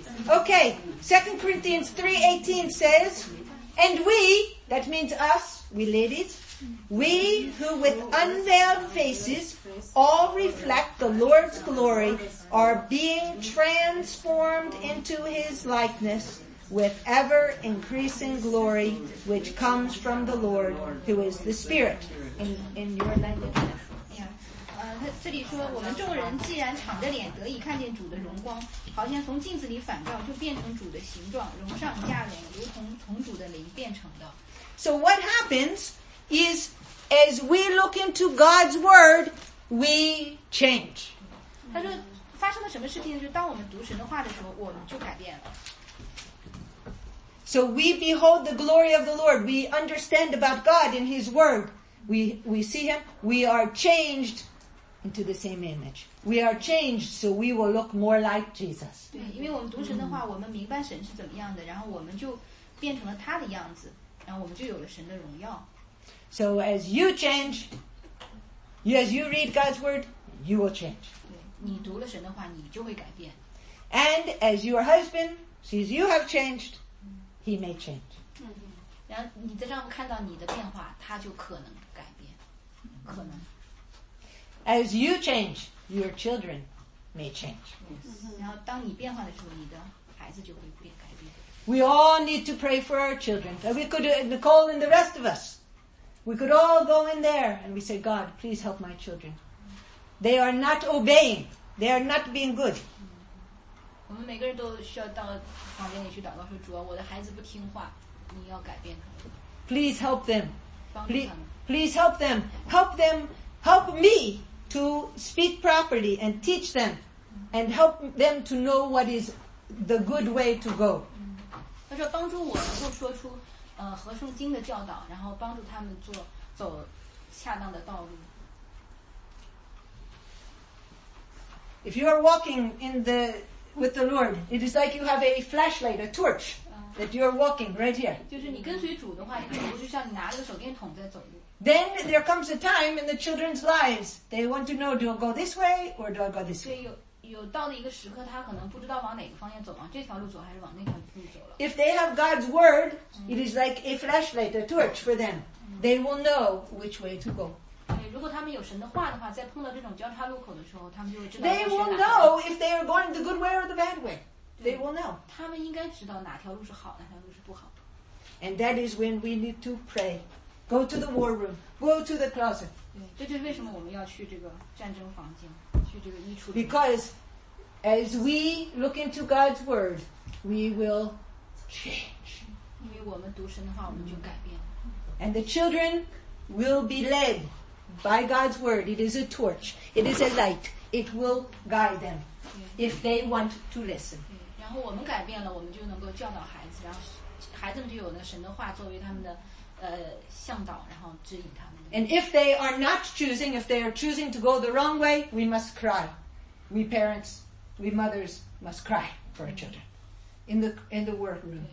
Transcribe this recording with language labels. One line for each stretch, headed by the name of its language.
English: Okay, 2 Corinthians 3:18 says, And we, that means us, we ladies, we who with unveiled faces all reflect the Lord's glory are being transformed into His likeness with ever-increasing glory which comes from the Lord who is the Spirit. In your language. Yeah.
Chinese: 这里说我们众人既然敞着脸得以看见主的荣光好像从镜子里反照就变成主的形状荣上加荣如同从主的灵变成的。
English: So what happens is as we look into God's word, we change.
Chinese: 他说发生了什么事情就当我们读神的话的时候我们就改变了。
English: So we behold the glory of the Lord. We understand about God in His Word. We see Him. We are changed into the same image. We are changed so we will look more like Jesus.
Chinese: 对，因为我们读神的话，我们明白神是怎么样的，然后我们就变成了他的样子，然后我们就有了神的荣耀。
English: So as you change, as you read God's Word, you will change.
Chinese: 对，你读了神的话，你就会改变。
English: And as your husband sees you have changed,He may change.
Chinese: 然后你在丈夫看到你的变化，他就可能改变，可能。
English: As you change, your children may change.
Chinese: 然后当你变化的时候，你的孩子就会变改变。
English: We all need to pray for our children. We could, Nicole and the rest of us, we could all go in there and we say, God, please help my children. They are not obeying. They are not being good.
Chinese: 我们每个人都需要到房间里去祷告说主啊我的孩子不听话你要改变他们
English: Please help them
Chinese: 帮助他们
English: Please help them Help them Help me to speak properly and teach them and help them to know what is the good way to go
Chinese: 他说帮助我能够说出合圣经的教导然后帮助他们做走恰当的道路
English: If you are walking in the With the Lord, it is like you have a flashlight, a torch, that you are walking right here.
Chinese: 就是你跟随主的话，不是像你拿着手电筒在走路。
English: Then there comes a time in the children's lives they want to know, do I go this way or do I go this way?
Chinese: 所以有到了一个时刻，他可能不知道往哪个方向走，往这条路走还是往那条路走了。
English: If they have God's word, it is like a flashlight, a torch for them. They will know which way to go.
Chinese: 如果他们有神的话的话，在碰到这种交叉路口的时候，他们就会知道。
English: They will know if they are going the good way or the bad way. They will know.
Chinese: 他们应该知道哪条路是好，哪条路是不好。
English: And that is when we need to pray. Go to the war room. Go to the closet.
Chinese: 对，这就是为什么我们要去这个战争房间，去这个衣橱里。
English: Because as we look into God's word, we will change.
Chinese: 因为我们读神的话，我们就改变。
English: And the children will be led. By God's word, it is a torch. It is a light. It will guide them if they want to listen.
Chinese: 然后我们改变了，我们就能够教导孩子，然后孩子们就有了神的话作为他们的向导，然后指引他们。
English: And if they are not choosing, if they are choosing to go the wrong way, we must cry. We parents, we mothers must cry for our children in the workroom.